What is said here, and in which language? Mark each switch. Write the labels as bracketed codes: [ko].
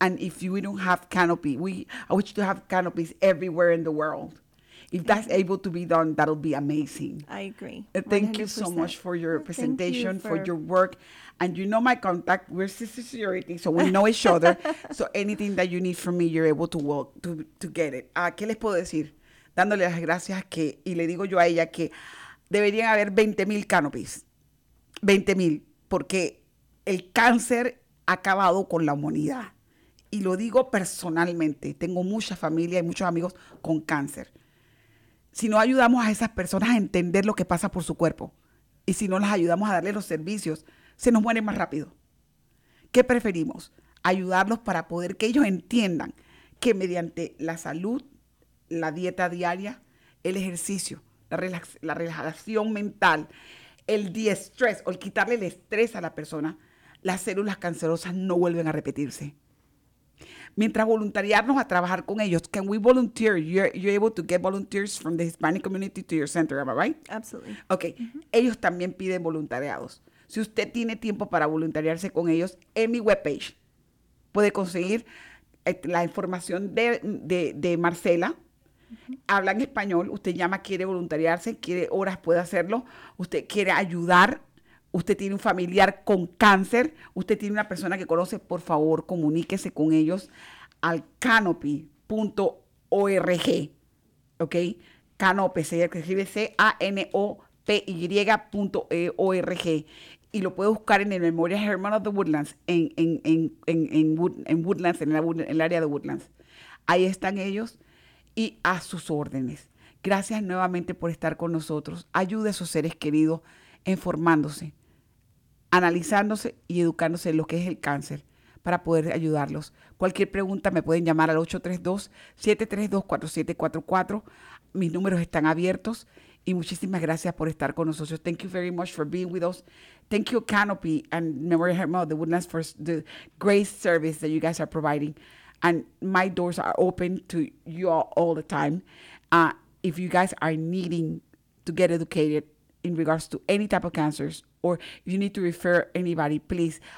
[en] And if we don't have canopy, I wish to have canopies everywhere in the world. If that's able to be done, that'll be amazing. I agree. 100%. Thank you so much for your presentation, for your work. And you know my contact. We're sister sorority, so we know each other. So anything that you need from me, you're able to work to get it. [es] ¿Qué les puedo decir? Dándole las gracias que, y le digo yo a ella que deberían haber 20,000 canopies. 20,000. Porque el cáncer ha acabado con la humanidad. Y lo digo personalmente. Tengo mucha familia y muchos amigos con cáncer. Si no ayudamos a esas personas a entender lo que pasa por su cuerpo y si no las ayudamos a darle los servicios, se nos mueren más rápido. ¿Qué preferimos? Ayudarlos para poder que ellos entiendan que mediante la salud, la dieta diaria, el ejercicio, la relajación mental, el de-estrés o el quitarle el estrés a la persona, las células cancerosas no vuelven a repetirse. Mientras voluntariarnos a trabajar con ellos, [en] can we volunteer? You're able to get volunteers from the Hispanic community to your center, am I right? Absolutely. [es] Okay. Mm-hmm. Ellos también piden voluntariados. Si usted tiene tiempo para voluntariarse con ellos, en mi webpage puede conseguir la información de Marcela. Mm-hmm. Hablan español. Usted llama, quiere voluntariarse, quiere horas, puede hacerlo. Usted quiere ayudar. Usted tiene un familiar con cáncer, usted tiene una persona que conoce, por favor, comuníquese con ellos al canopy.org, ¿ok? Canopy, se escribe canopy.org y lo puede buscar en el Memorial Hermann of the Woodlands, en Woodlands, en el área de Woodlands. Ahí están ellos y a sus órdenes. Gracias nuevamente por estar con nosotros. Ayude a sus seres queridos informándose, analizándose y educándose en lo que es el cáncer para poder ayudarlos. Cualquier pregunta me pueden llamar al 832-732-4744. Mis números están abiertos y muchísimas gracias por estar con nosotros. [en] Thank you very much for being with us. Thank you, Canopy and Memorial Hermann of the Woodlands, for the great service that you guys are providing. And my doors are open to you all the time. If you guys are needing to get educated in regards to any type of cancers, or if you need to refer anybody, please.